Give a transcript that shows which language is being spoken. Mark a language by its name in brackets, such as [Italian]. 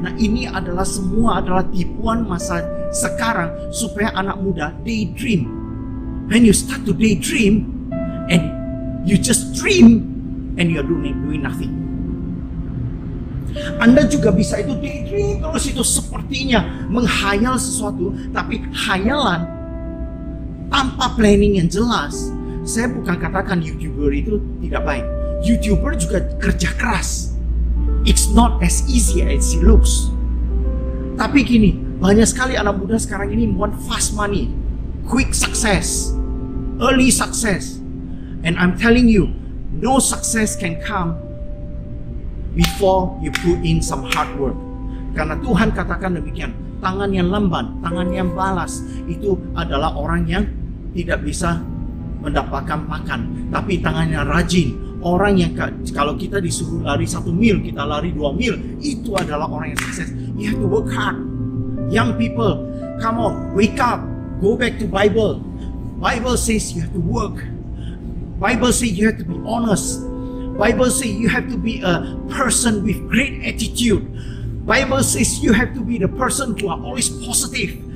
[Indonesian] Nah, ini adalah semua adalah tipuan masa sekarang supaya anak muda daydream. [English] When you start to daydream and you just dream and you're doing nothing. [Indonesian] Anda juga bisa itu daydream terus, itu sepertinya menghayal sesuatu, tapi khayalan tanpa planning yang jelas. Saya bukan katakan YouTuber itu tidak baik. YouTuber juga kerja keras. [English] It's not as easy as it looks. [Indonesian] Tapi gini, banyak sekali anak muda sekarang ini [English] want fast money, quick success, early success. And I'm telling you, no success can come before you put in some hard work. [Indonesian] Karena Tuhan katakan demikian, tangan yang lamban, tangan yang balas, itu adalah orang yang tidak bisa mendapatkan makan. Tapi tangan yang rajin, orang yang kalau kita disuruh lari 1 mil, kita lari 2 mil, itu adalah orang yang sukses. [English] You have to work hard. Young people, come on, wake up, go back to Bible. Bible says you have to work. Bible says you have to be honest. Bible says you have to be a person with great attitude. Bible says you have to be the person who are always positive.